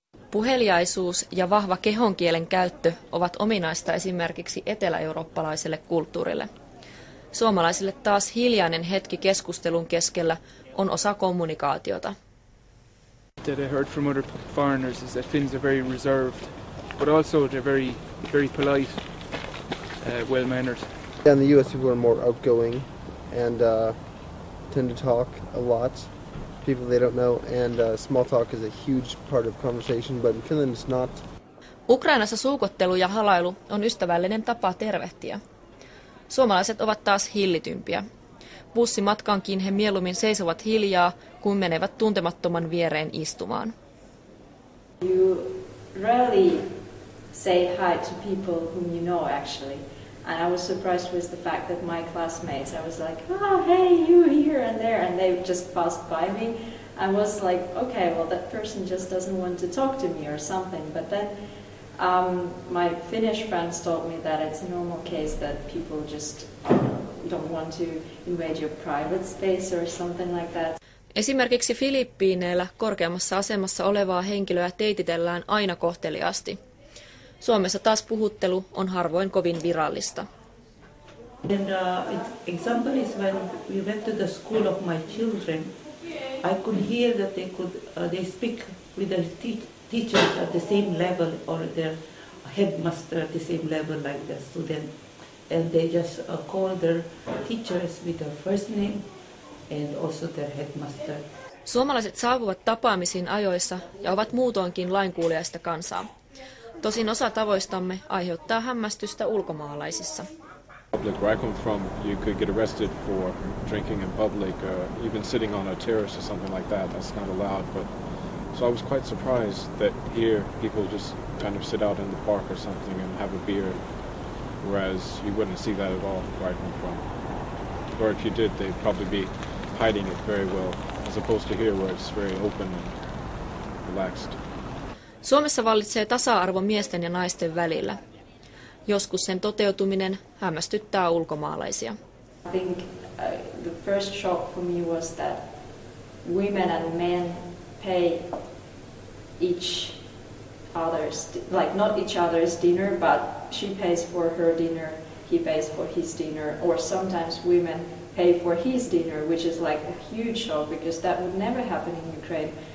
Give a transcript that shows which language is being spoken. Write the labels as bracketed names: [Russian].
[Finnish] Puheliaisuus ja vahva kehonkielen käyttö ovat ominaista esimerkiksi etelä-eurooppalaiselle kulttuurille. Suomalaisille taas hiljainen hetki keskustelun keskellä on osa kommunikaatiota. [English] That I heard from other foreigners is that Finns are very reserved, but also they're very, very polite, well-mannered. In the US, people are more outgoing and tend to talk a lot, people they don't know, and small talk is a huge part of conversation, but in Finland it's not. [Finnish] Ukrainassa suukottelu ja halailu on ystävällinen tapa tervehtiä. Suomalaiset ovat taas hillitympiä. Bussimatkaankin he mieluummin seisovat hiljaa, kun menevät tuntemattoman viereen istumaan. [English] You rarely say hi to people whom you know actually. And I was surprised with the fact that my classmates, I was like, oh, hey, you here and there, and they just passed by me. I was like, okay, well, that person just doesn't want to talk to me or something. But then my Finnish friends told me that it's a normal case that people just don't want to invade your private space or something like that. [Finnish] Esimerkiksi Filippiineillä korkeammassa asemassa olevaa henkilöä teititellään aina kohteliaasti. Suomessa taas puhuttelu on harvoin kovin virallista. [English] And example is when we went to the school of my children, I could hear that they speak with their teachers at the same level or their headmaster at the same level like the student, and they just call their teachers with their first name and also their headmaster. [Finnish] Suomalaiset saapuvat tapaamisiin ajoissa ja ovat muutoinkin lainkuuliaista kansaa. Tosin osa tavoistamme aiheuttaa hämmästystä ulkomaalaisissa. [English] Public where I come from, you could get arrested for drinking in public, even sitting on a terrace or something like that. That's not allowed. But so I was quite surprised that here people just kind of sit out in the park or something and have a beer, whereas you wouldn't see that at all where I come from. Or if you did, they'd probably be hiding it very well, as opposed to here where it's very open and relaxed. [Finnish] Suomessa vallitsee tasa-arvo miesten ja naisten välillä. Joskus sen toteutuminen hämmästyttää ulkomaalaisia. [English] I think the first shock for me was that women and men pay each other's, like not each other's dinner, but she pays for her dinner, he pays for his dinner, or sometimes women pay for his dinner, which is like a huge shock because that would never happen in Ukraine.